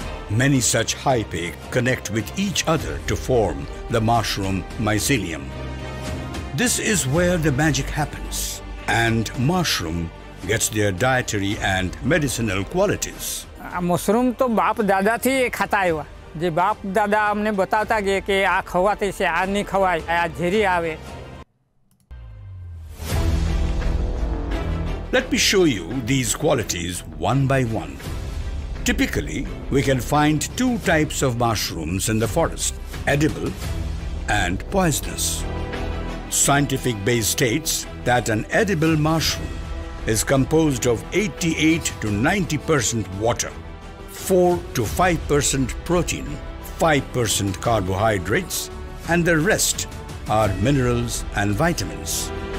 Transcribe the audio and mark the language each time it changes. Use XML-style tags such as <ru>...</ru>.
<en>Many such hyphae connect with each other to form the mushroom mycelium. This is where the magic happens, and mushroom gets their dietary and medicinal qualities.</en> <gu>Mushroom to bap dada thi khata aaya જે બાપ દાદા અમને બતાવતા કે કે આ ખવાતી છે આ નહીં ખવાય આ ઝેરી આવે.</gu> <en>Let me show you these qualities one by one. Typically, we can find two types of mushrooms in the forest, edible and poisonous. Scientific base states that an edible mushroom is composed of 88 to 90% water, 4 to 5% protein, 5% carbohydrates, and the rest are minerals and vitamins.</en>